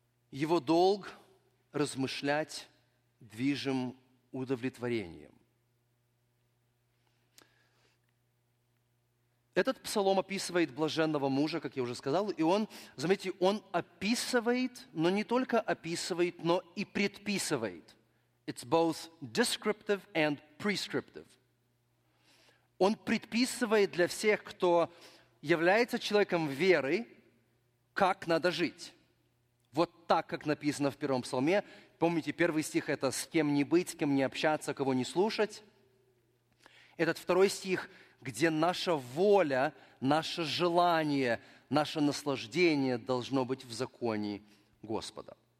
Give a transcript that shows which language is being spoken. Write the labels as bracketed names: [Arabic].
[Russian] Его долг – размышлять движим удовлетворением. Этот псалом описывает блаженного мужа, как я уже сказал, и он, заметьте, он описывает, но не только описывает, но и предписывает. [English] It's both descriptive and prescriptive. [Russian] Он предписывает для всех, кто является человеком веры, как надо жить. Вот так, как написано в первом псалме. Помните, первый стих – это «с кем не быть, с кем не общаться, кого не слушать». Этот второй стих, где наша воля, наше желание, наше наслаждение должно быть в законе Господа.